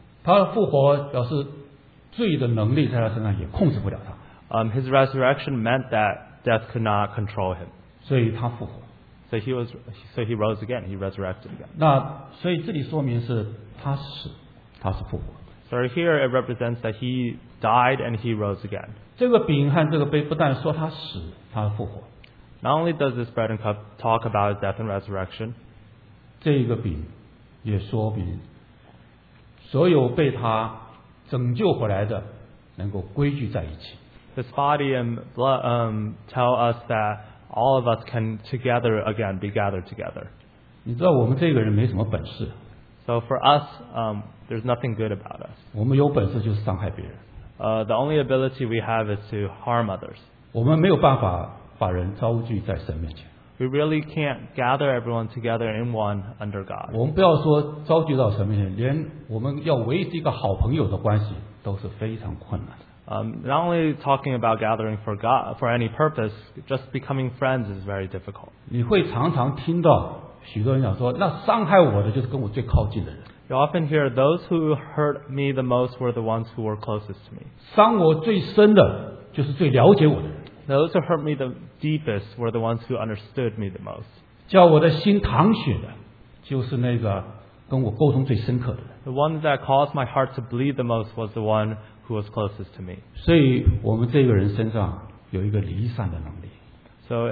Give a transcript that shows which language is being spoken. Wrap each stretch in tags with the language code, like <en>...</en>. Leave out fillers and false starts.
<zh>他的复活表示罪的能力在他身上也控制不了他。</zh> <en>His resurrection meant that death could not control him.</en> <zh>所以他复活。</zh> <en>So he rose again. He resurrected again.</en> <zh>那所以这里说明是他死，他是复活。</zh> <en>So here it represents that he died and he rose again.</en> <zh>这个饼和这个杯不但说他死，他复活。</zh> <en>Not only does this bread and cup talk about his death and resurrection,</en> <zh>这个饼也说明所有被他拯救回来的能够归聚在一起。</zh> <en>This body and blood tell us that all of us can together again be gathered together.</en> <zh>你知道我们这个人没什么本事。</zh> <en>So for us, there's nothing good about us.</en> <zh>我们有本事就是伤害别人。</zh> <en>The only ability we have is to harm others.</en> <zh>我们没有办法。把人召聚在神面前。</zh> <en>We really can't gather everyone together in one under God.</en> <zh>我们不要说召聚到神面前，连我们要维持一个好朋友的关系都是非常困难的。</zh> <en>not only talking about gathering for God for any purpose, just becoming friends is very difficult.</en> <zh>你会常常听到许多人讲说，那伤害我的就是跟我最靠近的人。</zh> <en>You often hear those who hurt me the most were the ones who were closest to me.</en> <zh>伤我最深的就是最了解我的人。</zh> <en>Those who hurt me the deepest were the ones who understood me the most.</en> <zh>叫我的心淌血的，就是那个跟我沟通最深刻的人。</zh> <en>The one that caused my heart to bleed the most was the one who was closest to me.</en> <zh>所以我们这个人身上有一个离散的能力。</zh> <en>So</en>